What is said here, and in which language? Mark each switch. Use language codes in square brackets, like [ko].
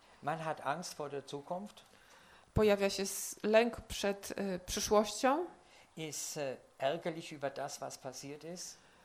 [de] Man hat Angst vor der Zukunft. [pl] Pojawia się lęk przed przyszłością. [de] Ist ärgerlich über das, was passiert ist.